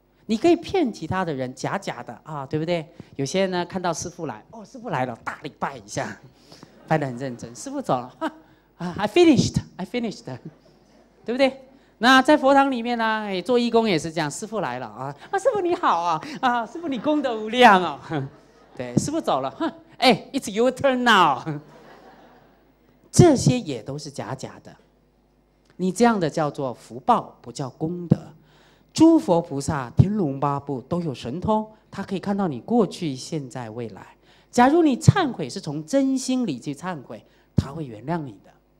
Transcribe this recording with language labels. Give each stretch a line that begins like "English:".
Chinese: 你可以骗其他的人，假假的啊，对不对？有些人呢看到师父来，哦，师父来了，大礼拜一下，拜得很认真。师父走了，啊 ，
English: I finished，
Chinese: 对不对？那在佛堂里面呢、啊，做义工也是这样。师父来了啊，啊，师父你好啊，啊，师父你功德无量啊。对，师父走了，哎 ，
English: It's your turn now。
Chinese: 这些也都是假假的，你这样的叫做福报，不叫功德。诸佛菩萨、天龙八部都有神通，他可以看到你过去、现在、未来。假如你忏悔是从真心里去忏悔，他会原谅你的。